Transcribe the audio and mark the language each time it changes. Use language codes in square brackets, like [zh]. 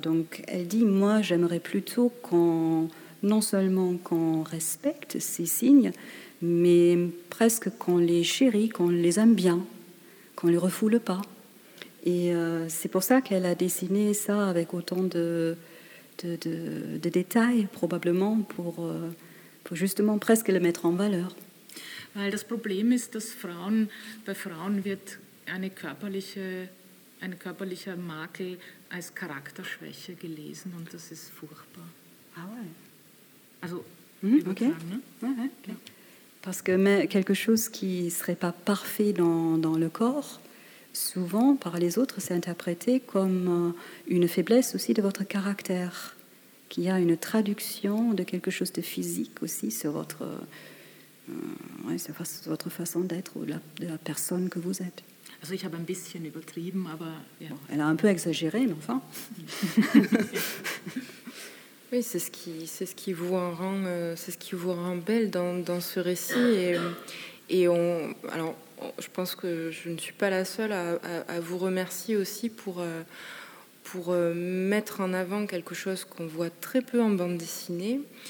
[fr] Donc elle dit, moi, j'aimerais plutôt non seulement qu'on respecte ces signes, mais presque qu'on les chérit, qu'on les aime bien, qu'on ne les refoule pas. Et c'est pour ça qu'elle a dessiné ça avec autant de détails, probablement, pour justement presque le mettre en valeur. [de] Weil das Problem ist, dass Frauen, bei Frauen wird ein körperlicher Makel als Charakterschwäche gelesen und das ist furchtbar. [fr] Ah ouais. [de] Also, okay. Ne? Ouais, ouais, okay. Ja. [fr] Parce que quelque chose qui ne serait pas parfait dans le corps, souvent, par les autres, c'est interprété comme une faiblesse aussi de votre caractère, qui a une traduction de quelque chose de physique aussi sur votre façon d'être ou de la personne que vous êtes. [de] Also, ich habe ein bisschen übertrieben, aber, ja. [fr] Bon, elle a un peu exagéré, mais enfin. Oui, c'est ce qui vous rend, c'est ce qui vous rend belle dans ce récit. Et je pense que je ne suis pas la seule à vous remercier aussi pour mettre en avant quelque chose qu'on voit très peu en bande dessinée.